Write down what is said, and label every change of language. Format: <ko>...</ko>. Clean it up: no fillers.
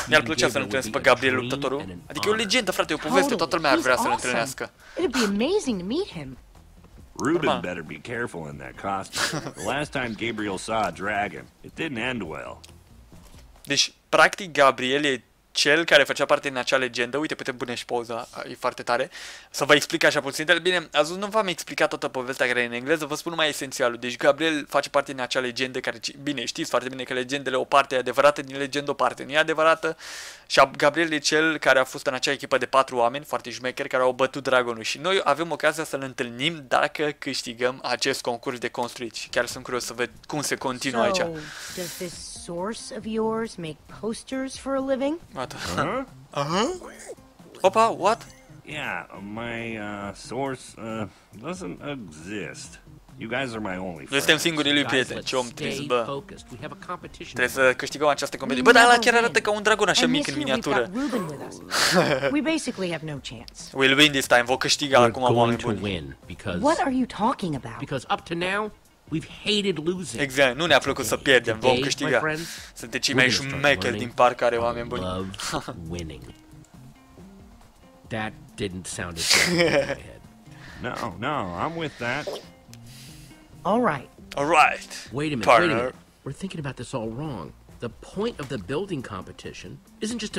<ro>Mi-ar plăcea să-l întâlnesc pe Gabriel luptătorul. Adică e o legendă, frate, e o poveste, toată lumea ar vrea să-l întâlnească.</ro> <en>It'd be amazing to meet him. Ruben better be careful in that costume. The last time Gabriel saw a dragon, it didn't end well.</en> <ro>Deci, practic Gabriel e cel care făcea parte din acea legendă. Uite, putem pune și pauza, e foarte tare. Să vă explic așa puțin. Dar bine, azi nu v-am explicat toată povestea care e în engleză, vă spun numai esențialul. Deci Gabriel face parte din acea legendă care, bine, știți foarte bine că legendele o parte e adevărată, din legendă o parte nu e adevărată. Și Gabriel e cel care a fost în acea echipă de 4 oameni, foarte jumecheri, care au bătut dragonul. Și noi avem ocazia să-l întâlnim dacă câștigăm acest concurs de construit. Și chiar sunt curios să văd cum se continuă aici.</ro> <en>Source of yours make posters for a living? What? Huh? Opa, what? Yeah, my source doesn't exist. You guys are my only friends.</en> <ro>Noi suntem singurii lui prieteni. Ce om trist, bă. Trebuie să câștigăm această competiție. Bă, dar ăla chiar arată ca un dragon așa mic în miniatură.</ro> <en>We basically have no chance. We'll win this time.</en> <ro>Vom câștiga acum, oameni buni.</ro> <en>What are you talking about? Because up to now we've hated losing.</en> <ro>Exact, nu ne-a plăcut today, să pierdem, vom câștiga. Suntem cei mai șmecheri din parc, are oameni buni.</ro> <en>Love winning. That didn't sound as good. No, no, I'm with that. All right. All right. Wait a minute. We're thinking about this all wrong. The point of the building competition isn't just to</en>